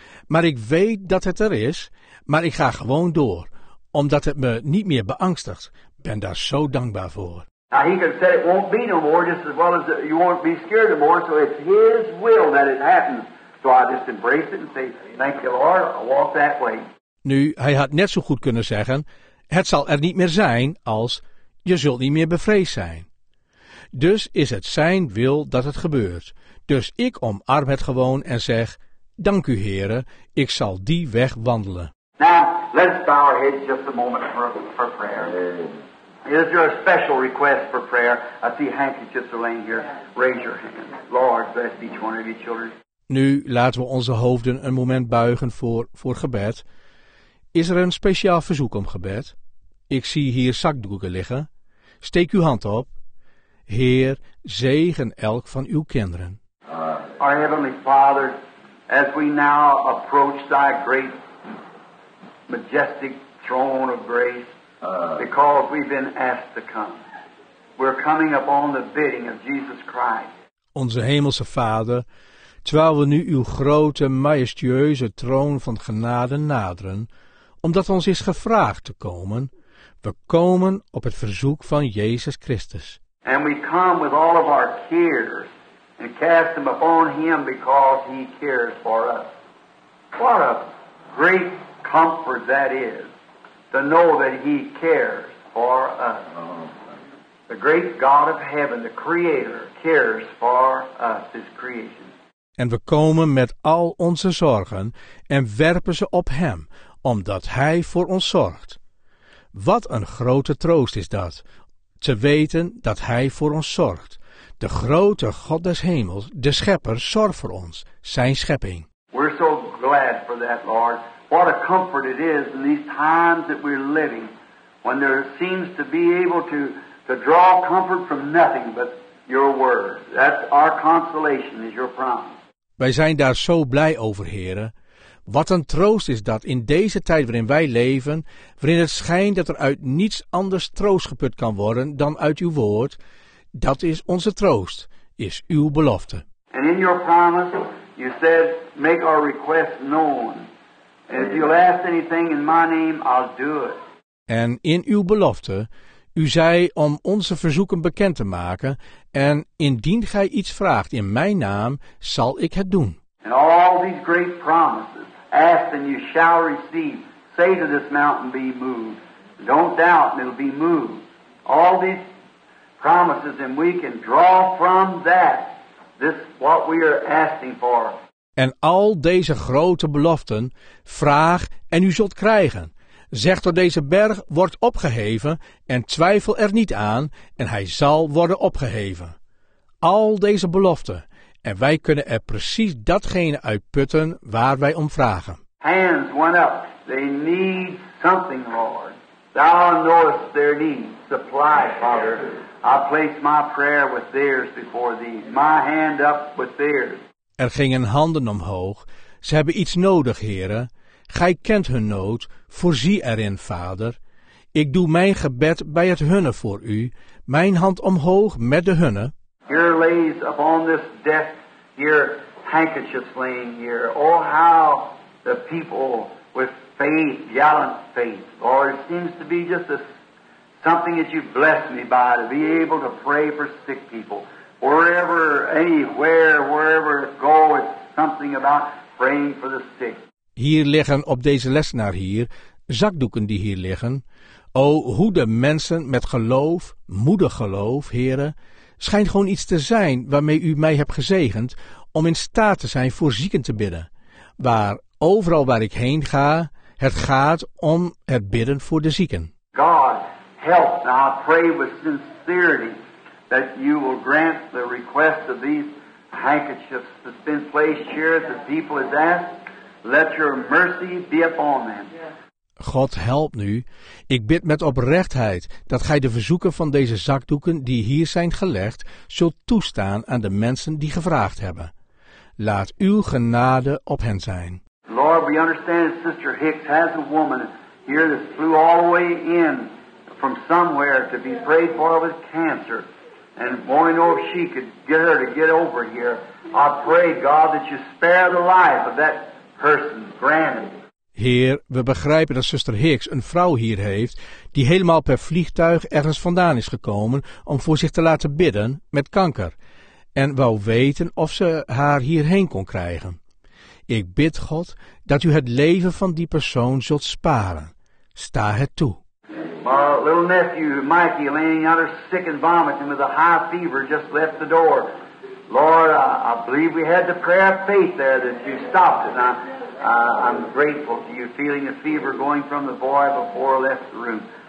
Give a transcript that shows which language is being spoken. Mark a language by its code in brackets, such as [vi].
[nl] Maar ik weet dat het er is. Maar ik ga gewoon door. Omdat het me niet meer beangstigt. Ben daar zo dankbaar voor. [en] Now he can say it won't be no more. Just as well as you won't be scared no more. So it's his will that it happens. So I just embrace it and say, thank you Lord, I walk that way. [nl] Nu, hij had net zo goed kunnen zeggen, het zal er niet meer zijn als, je zult niet meer bevreesd zijn. Dus is het zijn wil dat het gebeurt. Dus ik omarm het gewoon en zeg, dank u Heere, ik zal die weg wandelen. [en] Now, let's bow our heads just a moment for prayer. Is there a special request for prayer? I see handkerchiefs are laying here. Raise your hand. Lord, bless each one of your children. [nl] Nu laten we onze hoofden een moment buigen voor gebed. Is er een speciaal verzoek om gebed? Ik zie hier zakdoeken liggen. Steek uw hand op. Heer, zegen elk van uw kinderen. [en] Our Heavenly Father, as we now approach thy great, majestic throne of grace, because we've been asked to come, we're coming upon the bidding of Jesus Christ. [nl] Onze Hemelse Vader, terwijl we nu uw grote, majestueuze troon van genade naderen, omdat ons is gevraagd te komen, we komen op het verzoek van Jezus Christus. [en] And we come with all of our cares and cast them upon him because he cares for us. What a great comfort that is to know that he cares for us. The great God of heaven, the creator, cares for us, his creation. [nl] En we komen met al onze zorgen en werpen ze op hem, omdat hij voor ons zorgt. Wat een grote troost is dat, te weten dat hij voor ons zorgt. De grote God des hemels, de schepper, zorgt voor ons, zijn schepping. [en] We're so glad for that, Lord. What a comfort it is in these times that we're living, when there seems to be able to draw comfort from nothing but your word. That's our consolation, is your promise. [nl] Wij zijn daar zo blij over, Heere. Wat een troost is dat in deze tijd waarin wij leven, waarin het schijnt dat er uit niets anders troost geput kan worden dan uit uw woord. Dat is onze troost, is uw belofte. [en] And in your promise, you said, make our request known. And if you'll ask anything in my name, I'll do it. [nl] En in uw belofte, u zei om onze verzoeken bekend te maken, en indien gij iets vraagt in mijn naam, zal ik het doen. [en] And all these great promises, ask and you shall receive. Say to this mountain, be moved. Don't doubt, and it'll be moved. All these promises, and we can draw from that this what we are asking for. [nl] En al deze grote beloften, vraag en u zult krijgen. Zeg door deze berg, wordt opgeheven, en twijfel er niet aan, en hij zal worden opgeheven. Al deze beloften, en wij kunnen er precies datgene uit putten waar wij om vragen. [en] Hands went up. They need something, Lord. Thou knowest their need. Supply, Father. I place my prayer with theirs before thee. My hand up with theirs. [nl] Er gingen handen omhoog. Ze hebben iets nodig, Heere. Gij kent hun nood. Voorzie erin, Vader. Ik doe mijn gebed bij het hunne voor u. Mijn hand omhoog met de hunne. [en] Here lays upon this desk hear handkerchiefs laying here. Oh, how the people with faith, gallant faith, Lord, it seems to be just a, something that you bless me by, to be able to pray for sick people. Wherever, anywhere, wherever it goes, it's something about praying for the sick. [nl] Hier liggen op deze lessenaar hier, zakdoeken die hier liggen. O, hoe de mensen met geloof, moedig geloof, heren, schijnt gewoon iets te zijn waarmee u mij hebt gezegend om in staat te zijn voor zieken te bidden. Waar, overal waar ik heen ga, het gaat om het bidden voor de zieken. [en] God, help. Now I pray with sincerity that you will grant the request of these handkerchiefs that's been placed here that the people has asked. Let your mercy be upon them. [nl] God, help nu. Ik bid met oprechtheid dat gij de verzoeken van deze zakdoeken die hier zijn gelegd zult toestaan aan de mensen die gevraagd hebben. Laat uw genade op hen zijn. [en] Lord, we understand that Sister Hicks has a woman here that flew all the way in from somewhere to be prayed for with cancer. And boy, know if she could get her to get over here. I pray, God, that you spare the life of that person, granted. [nl] Heer, we begrijpen dat zuster Hicks een vrouw hier heeft die helemaal per vliegtuig ergens vandaan is gekomen om voor zich te laten bidden met kanker en wou weten of ze haar hierheen kon krijgen. Ik bid God dat u het leven van die persoon zult sparen. Sta het toe. [en] My little nephew Mikey laying out sick and vomiting with a high fever just left the door. Lord, I believe we had the prayer of faith there that you stopped it. I'm grateful to you feeling a fever going from the boy before I left the room.